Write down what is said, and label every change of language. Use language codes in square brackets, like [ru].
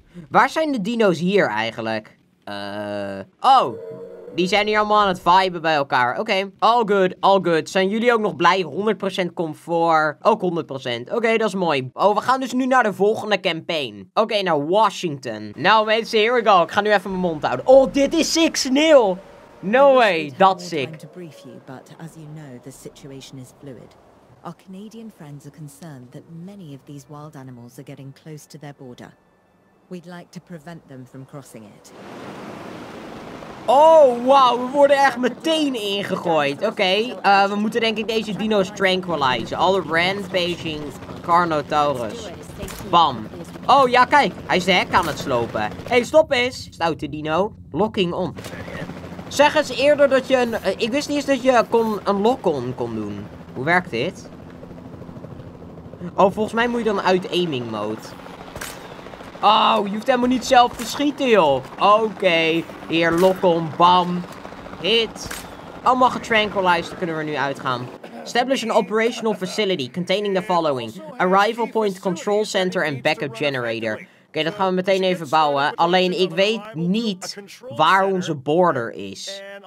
[nl] Waar zijn de dino's hier eigenlijk? Oh, die zijn hier allemaal aan het viben bij elkaar. Oké, [en] all good, all good. [nl] Zijn jullie ook nog blij? 100% comfort. Ook 100%. Oké, dat is mooi. Oh, we gaan dus nu naar de volgende campaign. Oké, naar Washington. Nou mensen, [en] here we go. [nl] Ik ga nu even mijn mond houden. Oh, dit is sick sneeuw. [en] No way, that's sick. To brief you, but as you know, the situation is fluid. Our Canadian friends are concerned that many of these wild animals are getting close to their border. We'd like to prevent them from crossing it. [nl] Oh, wow, we worden echt meteen ingegooid. Oké, we moeten denk ik deze dino's tranquilizen. Alle rampaging Carnotaurus. Bam. Oh, ja, kijk, hij is de hek aan het slopen. Hey, stop eens. Stoute dino, locking on. Zeg eens eerder dat je een... Ik wist niet eens dat je een lock-on kon doen. Hoe werkt dit? Oh, volgens mij moet je dan uit aiming mode. Oh, je hoeft helemaal niet zelf te schieten, joh. Oké. Hier, lock-on. Bam. Hit. Allemaal getranquilized. Dan kunnen we nu uitgaan. [en] Establish an operational facility containing the following. [nl] Arrival point, control center en backup generator. Oké, dat gaan we meteen even bouwen. Alleen ik weet niet waar onze border is.